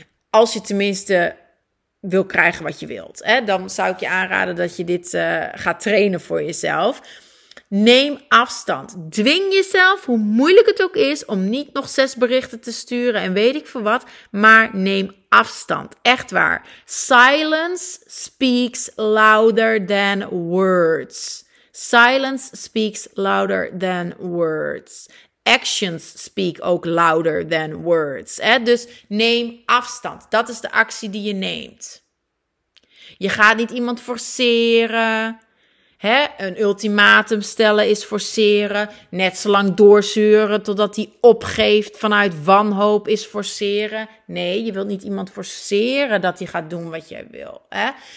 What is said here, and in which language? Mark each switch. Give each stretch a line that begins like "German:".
Dutch: Als je tenminste wil krijgen wat je wilt. Hè? Dan zou ik je aanraden dat je dit gaat trainen voor jezelf. Neem afstand. Dwing jezelf, hoe moeilijk het ook is, om niet nog 6 berichten te sturen en weet ik voor wat. Maar neem afstand. Echt waar.
English: Silence speaks louder than words. Silence speaks louder than words. Actions speak
Dutch: ook
English: louder than words.
Dutch: Hè? Dus neem afstand. Dat is de actie die je neemt. Je gaat niet iemand forceren. Hè, een ultimatum stellen is forceren. Net zo lang doorzeuren totdat hij opgeeft vanuit wanhoop is forceren. Nee, je wilt niet iemand forceren dat hij gaat doen wat jij wil. Hè?